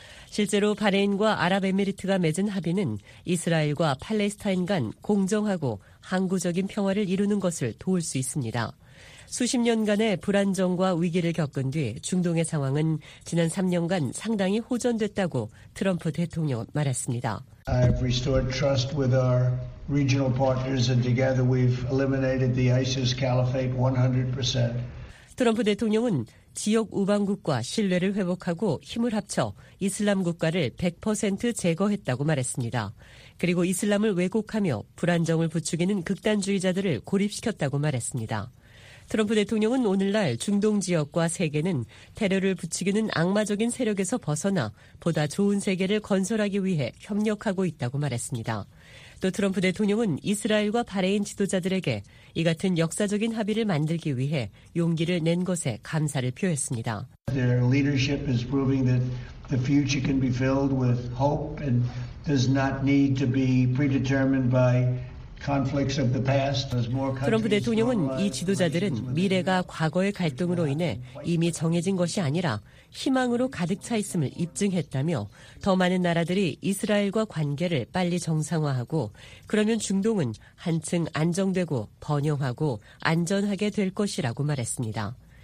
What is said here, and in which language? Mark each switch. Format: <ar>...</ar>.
<ko>실제로 바레인과 아랍에미리트가 맺은 합의는 이스라엘과 팔레스타인 간 공정하고 항구적인 평화를 이루는 것을 도울 수 있습니다. 수십 년간의 불안정과 위기를 겪은 뒤 중동의 상황은 지난 3년간 상당히 호전됐다고 트럼프 대통령 말했습니다.</ko> <en>I have restored trust with our regional partners and together we've eliminated the ISIS caliphate 100%.</en> <ko>트럼프 대통령은 지역 우방국과 신뢰를 회복하고 힘을 합쳐 이슬람 국가를 100% 제거했다고 말했습니다. 그리고 이슬람을 왜곡하며 불안정을 부추기는 극단주의자들을 고립시켰다고 말했습니다. 트럼프 대통령은 오늘날 중동 지역과 세계는 테러를 부추기는 악마적인 세력에서 벗어나 보다 좋은 세계를 건설하기 위해 협력하고 있다고 말했습니다. 또 트럼프 대통령은 이스라엘과 바레인 지도자들에게 이 같은 역사적인 합의를 만들기 위해 용기를 낸 것에 감사를 표했습니다.</ko> <en>Their leadership is proving that the future can be filled with hope and does not need to be predetermined by</en> <ko>트럼프 대통령은 이 지도자들은 미래가 과거의 갈등으로 인해 이미 정해진 것이 아니라 희망으로 가득 차 있음을 입증했다며 더 많은 나라들이 이스라엘과 관계를 빨리 정상화하고 그러면 중동은 한층 안정되고 번영하고 안전하게 될 것이라고 말했습니다.</ko>